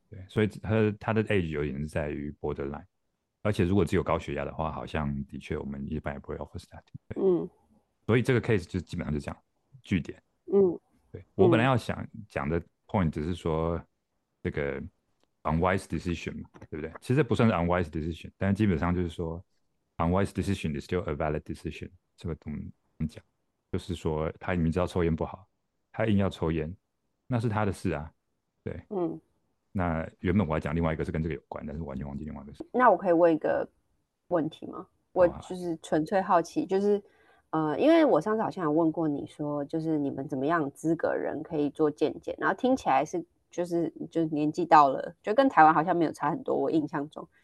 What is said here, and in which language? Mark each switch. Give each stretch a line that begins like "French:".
Chinese: 对，所以他的
English: age
Chinese: 有点是在于
English: borderline，
Chinese: 而且如果只有高血压的话，好像的确我们一般也不会
English: offer statin。
Chinese: 嗯，所以这个 case 就基本上就这样，据点。嗯，对我本来要想讲的
English: point
Chinese: 只是说这个
English: unwise decision
Chinese: 嘛，对不对？其实不算是
English: unwise decision，
Chinese: 但基本上就是说
English: unwise decision is still a valid decision。
Chinese: 这个怎么讲？就是说他明知道抽烟不好，他硬要抽烟。那是他的事啊，对，嗯，那原本我要讲另外一个是跟这个有关，但是我完全忘记另外一个事。那我可以问一个问题吗？我就是纯粹好奇，就是因为我上次好像有问过你说，就是你们怎么样资格人可以做健检，然后听起来是就是年纪到了，就跟台湾好像没有差很多，我印象中。